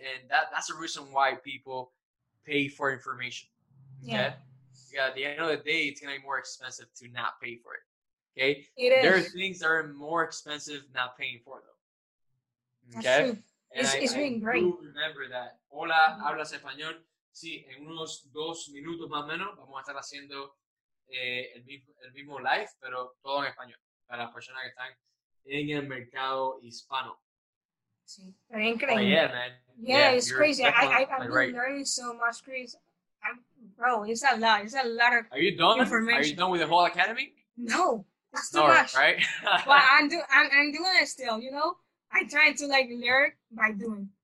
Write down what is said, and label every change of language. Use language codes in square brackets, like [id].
[en] And that's the reason why people pay for information. Okay? Yeah. At the end of the day, it's going to be more expensive to not pay for it. Okay? It is. There are things that are more expensive not paying for them. Okay? That's true. It's been great. Do remember that. [es] Hola, hablas español. Sí, en unos 2 minutos más o menos vamos a estar haciendo el mismo live, pero todo en español para las personas que están en el mercado hispano. Sí. Pero increíble. [en] Oh, yeah, man. Yeah, it's crazy. I've been learning so much, Chris. Bro, it's a lot. It's a lot of information. Are you done with the whole academy? No. It's too much, right? But I'm doing it still, you know? I try to, like, learn by doing.